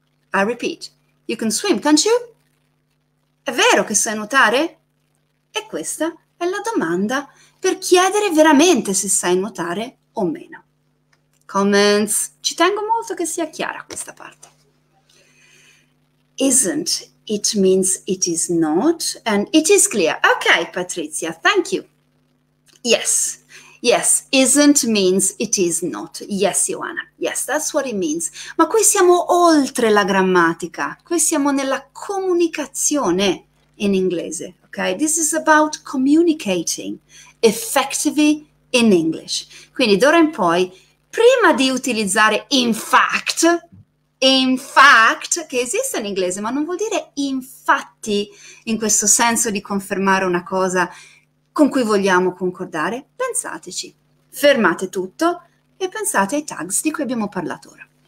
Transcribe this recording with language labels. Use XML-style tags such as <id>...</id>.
<en>I repeat. You can swim, can't you?</en> <it>È vero che sai nuotare? E questa è la domanda per chiedere veramente se sai nuotare o meno.</it> <en>Comments.</en> <it>Ci tengo molto che sia chiara questa parte.</it> <en>Isn't, it means it is not, and it is clear. Okay, Patrizia, thank you. Yes, yes, isn't means it is not. Yes, Ioana, yes, that's what it means.</en> <it>Ma qui siamo oltre la grammatica, qui siamo nella comunicazione in inglese, okay?</it> <en>This is about communicating effectively in English.</en> <it>Quindi d'ora in poi prima di utilizzare in fact, che esiste in inglese, ma non vuol dire infatti, in questo senso di confermare una cosa con cui vogliamo concordare, pensateci. Fermate tutto e pensate ai tags di cui abbiamo parlato ora.</it>